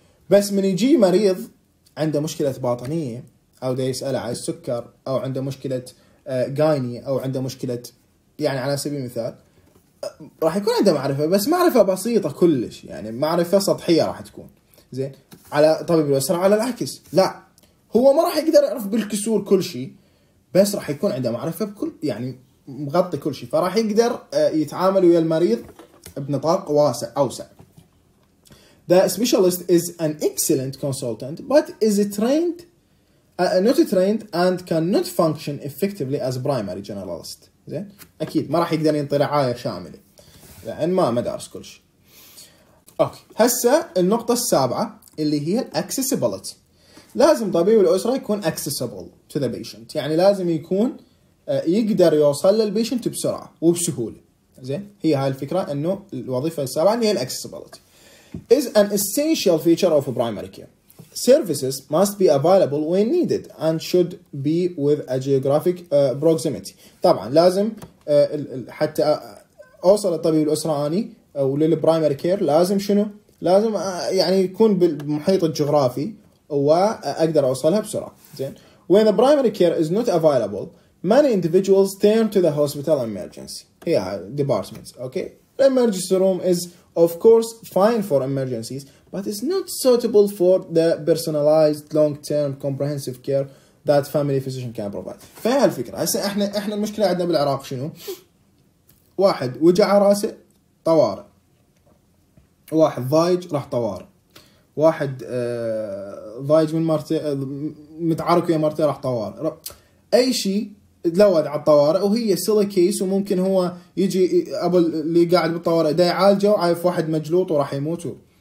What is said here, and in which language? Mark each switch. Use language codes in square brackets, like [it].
[ar] بس من يجي مريض عنده مشكله باطنيه او ده يسال على السكر او عنده مشكله غايني او عنده مشكله، يعني على سبيل المثال، راح يكون عنده معرفه بس معرفه بسيطه كلش، يعني معرفه سطحيه راح تكون، زين. على طبيب الاسره على العكس، لا، هو ما راح يقدر يعرف بالكسور كل شيء، بس راح يكون عنده معرفه بكل، يعني مغطي كل شيء، فراح يقدر يتعامل ويا المريض بنطاق واسع اوسع. [en] The specialist is an excellent consultant but is trained not trained and cannot function effectively as primary generalist. [ar] زين، اكيد ما راح يقدر ينطي رعايه شامله لان ما دارس كل شيء. اوكي، هسه النقطه السابعه اللي هي الاكسسبيليتي. لازم طبيب الاسره يكون [en] accessible to the patient, [ar] يعني لازم يكون يقدر يوصل للبيشنت بسرعه وبسهوله، زين. هي هاي الفكره، انه الوظيفه السابعه اللي هي الاكسسبيليتي. [en] Is an essential feature of primary care. Services must be available when needed and should be with a geographic proximity. [ar] طبعا لازم حتى اوصل لطبيب الاسره اني وللبرايمري كير، لازم شنو؟ لازم يعني يكون بالمحيط الجغرافي واقدر اوصلها بسرعه، زين. [en] When the primary care is not available, many individuals turn to the hospital emergency. [ar] هي [en] departments. Okay. The emergency room is of course fine for emergencies but it's not suitable for the personalized long term comprehensive care that family physician can provide. [ar] فهي الفكره. هسه احنا المشكله عندنا بالعراق شنو؟ واحد وجع راسه طوارئ، واحد ضايج راح طوارئ، واحد ضايج من مرته متعارك ويا مرته راح طوارئ، اي شيء تلوّد على الطوارئ وهي سيلي كيس، وممكن هو يجي ابو اللي قاعد بالطوارئ ده يعالجه وعايف واحد مجلوط وراح يموت.